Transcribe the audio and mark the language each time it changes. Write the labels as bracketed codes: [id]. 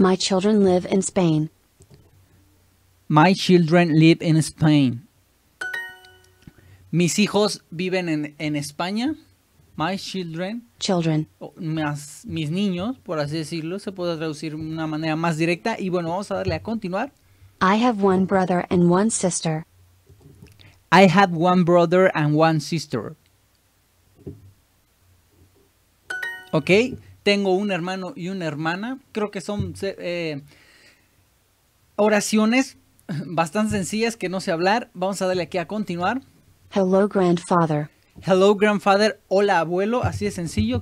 [en] My children live in Spain. My children live in Spain. [es] Mis hijos viven en España. [en] My children. Children. [es] Mis niños, por así decirlo. Se puede traducir de una manera más directa. Y bueno, vamos a darle a continuar. [en] I have one brother and one sister. I have one brother and one sister. Ok. [es] Tengo un hermano y una hermana. Creo que son oraciones bastante sencillas que no sé hablar. Vamos a darle aquí a continuar. [en] Hello, grandfather. Hello, grandfather. [es] Hola, abuelo. Así de sencillo.